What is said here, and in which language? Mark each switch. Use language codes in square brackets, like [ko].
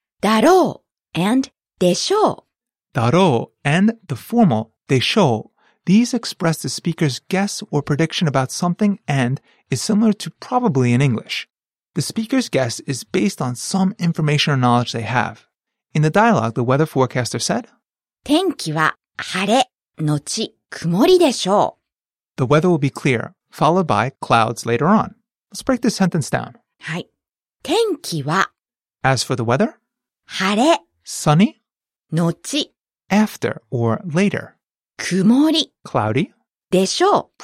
[ja] だろう [en] and [ja] でしょう. [en] だろう and the formal でしょう. These express the speaker's guess or prediction about something and is similar to probably in English. The speaker's guess is based on some information or knowledge they have. In the dialogue, the weather forecaster said, [ja] 天気は晴れのち曇りでしょう。 [en] The weather will be clear, followed by clouds later on. Let's break this sentence down. [ja] はい。天気は [en] As for the weather, [ja] 晴れ [en] Sunny [ja] のち [en] After or later [ja] 曇り [en] Cloudy [ja] でしょう。